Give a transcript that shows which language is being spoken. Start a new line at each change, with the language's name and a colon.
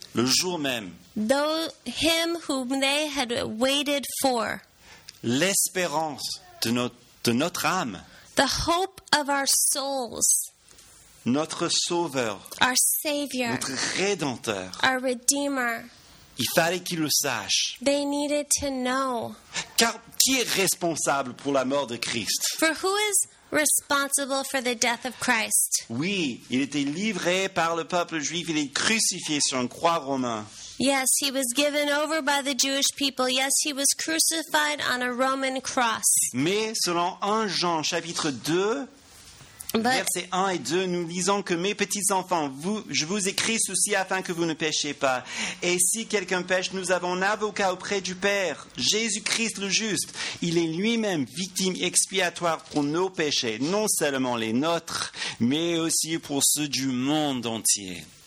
French: le jour même.
English: Though him whom they had waited for.
French: L'espérance de notre âme.
English: The hope of our souls.
French: Notre sauveur.
English: Our savior.
French: Notre rédempteur.
English: Our redeemer.
French: Il fallait qu'ils le sachent.
English: They needed to know.
French: Car qui est responsable pour la mort de Christ?
English: For who is responsible for the death of Christ?
French: Oui, il était livré par le peuple juif, il est crucifié sur une croix romaine.
English: Yes, he was given over by the Jewish people. Yes, he was crucified on a Roman cross.
French: Mais selon 1 Jean chapitre 2, versets 1 et 2, nous lisons que mes petits enfants, je vous écris ceci afin que vous ne péchiez pas. Et si quelqu'un pêche, nous avons un avocat auprès du Père, Jésus-Christ le juste. Il est lui-même victime expiatoire pour nos péchés, non seulement les nôtres, mais aussi pour ceux du monde entier.